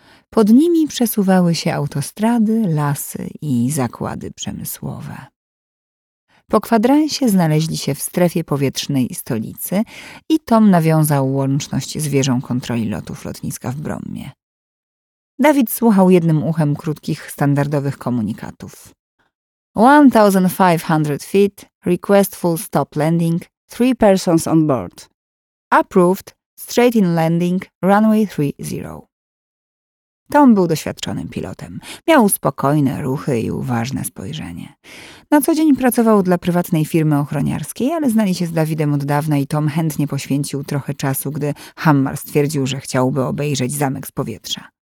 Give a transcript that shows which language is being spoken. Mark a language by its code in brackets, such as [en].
[pl] Pod nimi przesuwały się autostrady, lasy i zakłady przemysłowe. Po kwadransie znaleźli się w strefie powietrznej stolicy i Tom nawiązał łączność z wieżą kontroli lotów lotniska w Brommie. Dawid słuchał jednym uchem krótkich, standardowych komunikatów. [en] 1500 feet, request full stop landing, 3 persons on board. Approved, straight in landing, runway 30. [pl] Tom był doświadczonym pilotem. Miał spokojne ruchy i uważne spojrzenie. Na co dzień pracował dla prywatnej firmy ochroniarskiej, ale znali się z Dawidem od dawna i Tom chętnie poświęcił trochę czasu, gdy Hammer stwierdził, że chciałby obejrzeć zamek z powietrza.